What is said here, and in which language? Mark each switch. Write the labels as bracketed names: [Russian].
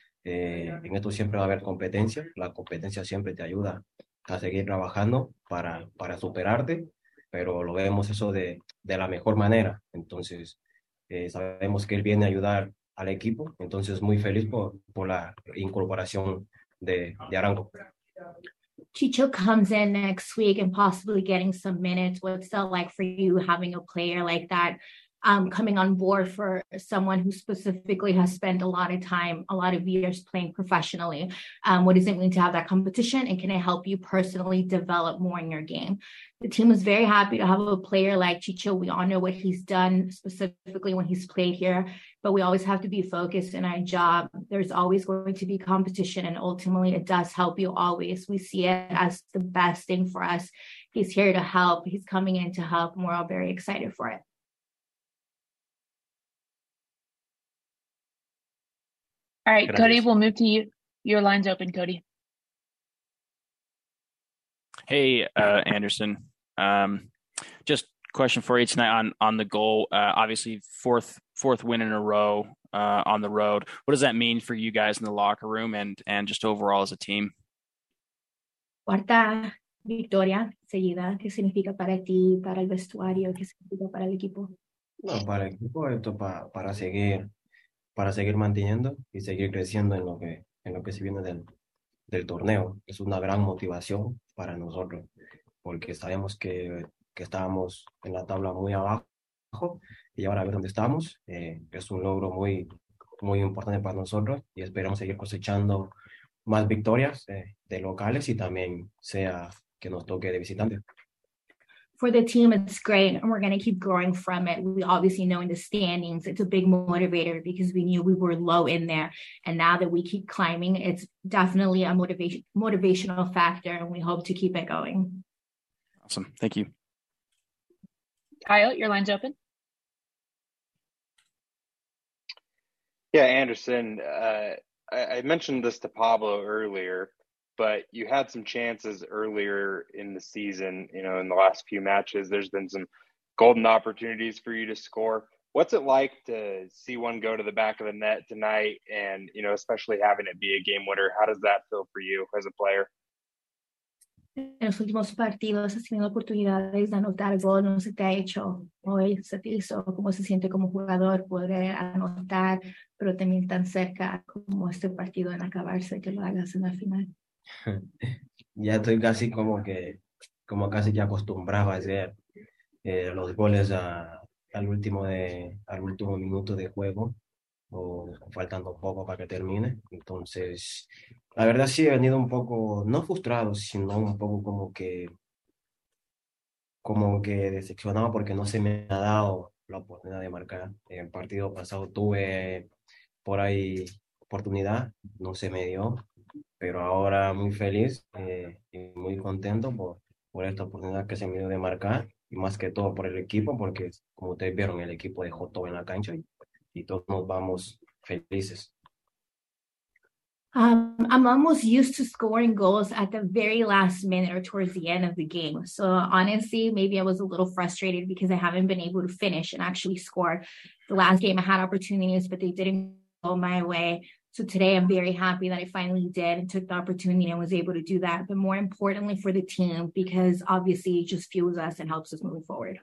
[Spanish] En esto siempre va a haber competencia. La competencia siempre te ayuda a seguir trabajando para superarte. Pero lo vemos eso de la mejor manera. Entonces, sabemos que él viene a ayudar al equipo. Entonces, muy feliz por la incorporación de Arango. [English] Chicho comes in next week and possibly getting some minutes. What's that like for you having a player like that coming on board for someone who specifically has spent a lot of time, a lot of years playing professionally? What does it mean to have that competition? And can it help you personally develop more in your game? The team is very happy to have a player like Chicho. We all know what he's done specifically when he's played here, but we always have to be focused in our job. There's always going to be competition, and ultimately, it does help you always. We see it as the best thing for us. He's here to help. He's coming in to help, and we're all very excited for it. All right, Cody, [Spanish] Gracias. [English] we'll move to you. Your line's open, Cody. Hey, Anderson. Just question for you tonight on the goal. Obviously, fourth win in a row on the road. What does that mean for you guys in the locker room and just overall as a team? [Spanish] Cuarta victoria seguida, ¿qué significa para ti, para el vestuario, qué significa para el equipo? No, para el equipo, esto para seguir manteniendo y seguir creciendo en lo que se viene del torneo. Es una gran motivación para nosotros, porque sabemos que estábamos en la tabla muy abajo y ahora a ver dónde estamos. Es un logro muy, muy importante para nosotros y esperamos seguir cosechando más victorias de locales y también sea que nos toque de visitante. [English] For the team, it's great, and we're going to keep growing from it. We obviously know in the standings, it's a big motivator because we knew we were low in there. And now that we keep climbing, it's definitely a motivational factor, and we hope to keep it going. Awesome. Thank you. Kyle, your line's open. Yeah, Anderson, I mentioned this to Pablo earlier, but you had some chances earlier in the season, you know, in the last few matches. There's been some golden opportunities for you to score. What's it like to see one go to the back of the net tonight and, you know, especially having it be a game winner? How does that feel for you as a player? [Spanish] En los últimos partidos has tenido oportunidades de anotar gol, no se te ha hecho hoy, se te hizo, ¿cómo se siente como jugador poder anotar, pero también tan cerca como este partido en acabarse, que lo hagas en la final? Ya estoy casi como que, como casi ya acostumbrado a hacer los goles al último minuto de juego, o faltando poco para que termine, entonces... La verdad sí he venido un poco, no frustrado, sino un poco como que decepcionado porque no se me ha dado la oportunidad de marcar. En el partido pasado tuve por ahí oportunidad, no se me dio, pero ahora muy feliz y muy contento por esta oportunidad que se me dio de marcar y más que todo por el equipo porque, como ustedes vieron, el equipo dejó todo en la cancha y todos nos vamos felices. [English] I'm almost used to scoring goals at the very last minute or towards the end of the game. So honestly, maybe I was a little frustrated because I haven't been able to finish and actually score. The last game I had opportunities, but they didn't go my way. So today I'm very happy that I finally did and took the opportunity and was able to do that. But more importantly for the team, because obviously it just fuels us and helps us move forward.